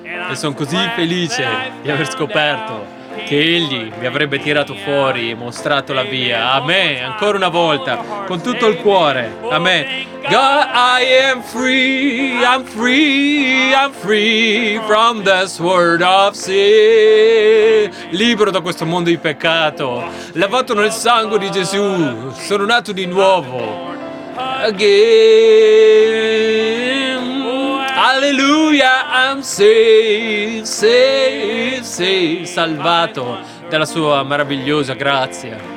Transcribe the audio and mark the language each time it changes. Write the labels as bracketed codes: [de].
[it] E sono così felice di aver scoperto che egli mi avrebbe tirato fuori e mostrato la via a me, ancora una volta, con tutto il cuore. A me. [en] God, I am free, I'm free, I'm free from this world of sin. [it] Libero da questo mondo di peccato, lavato nel sangue di Gesù, sono nato di nuovo. [en] Again. Alleluia, I'm saved, saved, saved, salvato dalla sua meravigliosa grazia.